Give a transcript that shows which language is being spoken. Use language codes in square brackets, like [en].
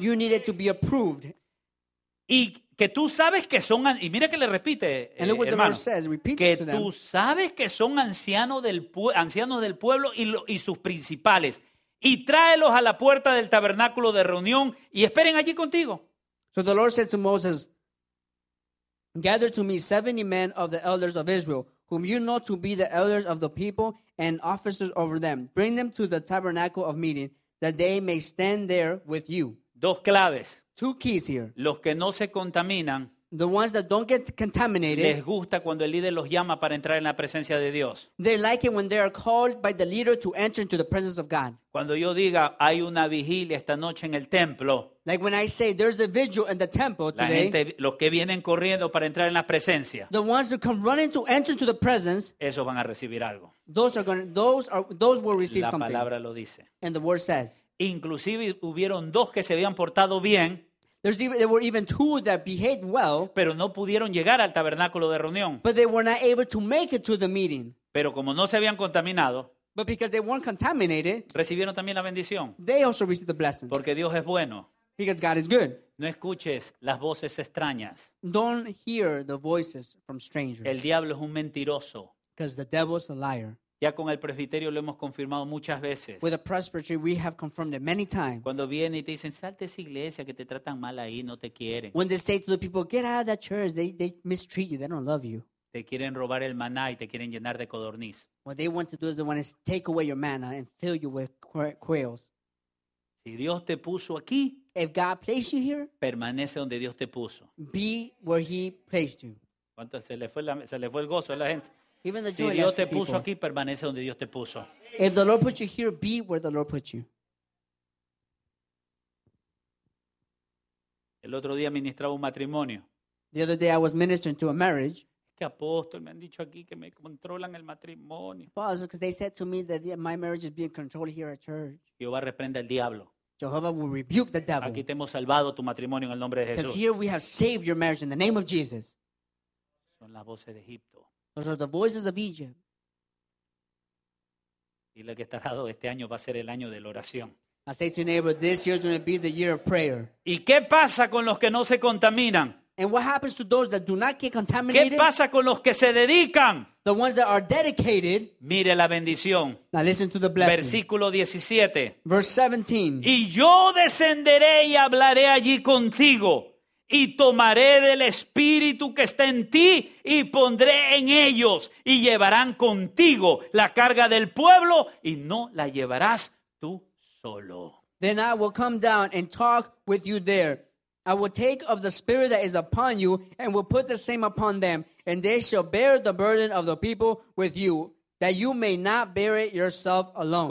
[en] You needed to be approved. [es] Y que tú sabes que son, y mira que le repite, [en] and look what [es] hermano, [en] the Lord says, repeats [es] que [en] to them. [es] Tú sabes que son ancianos del pueblo y sus principales, y tráelos a la puerta del tabernáculo de reunión y esperen allí contigo. [en] So the Lord said to Moses, gather to me 70 men of the elders of Israel, whom you know to be the elders of the people and officers over them. Bring them to the tabernacle of meeting, that they may stand there with you. [es] Dos claves. [en] Two keys here. [es] Los que no se contaminan. [en] The ones that don't get contaminated. [es] Les gusta cuando el líder los llama para entrar en la presencia de Dios. [en] They like it when they are called by the leader to enter into the presence of God. [es] Cuando yo diga, hay una vigilia esta noche en el templo. [en] Like when I say, there's a vigil in the temple today. [es] La gente, los que vienen corriendo para entrar en la presencia. [en] The ones that come running to enter into the presence. [es] Esos van a recibir algo. [en] Those will receive something. [es] La palabra [en] something. [es] Lo dice. [en] And the word says. [es] Inclusive hubieron dos que se habían portado bien. [en] There were even two that behaved well. [es] Pero no pudieron llegar al tabernáculo de reunión. [en] But they were not able to make it to the meeting. [es] Pero como no se habían contaminado. [en] But because they weren't contaminated. [es] Recibieron también la bendición. [en] They also received the blessing. [es] Porque Dios es bueno. [en] Because God is good. [es] No escuches las voces extrañas. [en] Don't hear the voices from strangers. [es] El diablo es un mentiroso. [en] Because the devil is a liar. [es] Ya con el presbiterio lo hemos confirmado muchas veces. [en] With the presbytery, we have confirmed it many times. [es] Cuando vienen y te dicen, salte de esa iglesia que te tratan mal ahí, no te quieren. [en] When they say to the people, get out of that church, they mistreat you, they don't love you. [es] Te quieren robar el maná y te quieren llenar de codorniz. [en] What they want to do is they want to take away your manna and fill you with quails. [es] Si Dios te puso aquí, [en] if God placed you here, [es] permanece donde Dios te puso. [en] Be where he placed you. [es] ¿Cuánto se le fue el gozo a la gente? [en] Even the [es] si Dios te puso aquí, permanece donde Dios te puso. [en] If the Lord put you here, be where the Lord put you. [es] El otro día ministraba un matrimonio. [en] The other day I was ministering to a marriage. [es] Qué apóstol, me han dicho aquí que me controlan el matrimonio. [en] Well, because they said to me that my marriage is being controlled here at church. [es] Jehová reprende al diablo. [en] Jehovah will rebuke the devil. [es] Aquí te hemos salvado tu matrimonio en el nombre de Jesús. [en] Because here we have saved your marriage in the name of Jesus. [es] Son las voces de Egipto. [en] Those are the voices of Egypt. [es] Y lo que está dado este año va a ser el año de la oración. [en] I say to your neighbor, this year is going to be the year of prayer. [es] ¿Y qué pasa con los que no se contaminan? [en] And what happens to those that do not get contaminated? [es] ¿Qué pasa con los que se dedican? [en] The ones that are dedicated. [es] Mire la bendición. [en] Now listen to the blessing. [es] Versículo 17. [en] Verse 17. [es] Y yo descenderé y hablaré allí contigo, y tomaré del espíritu que está en ti y pondré en ellos, y llevarán contigo la carga del pueblo y no la llevarás tú solo. [en] Then I will come down and talk with you there. I will take of the spirit that is upon you and will put the same upon them, and they shall bear the burden of the people with you, that you may not bear it yourself alone.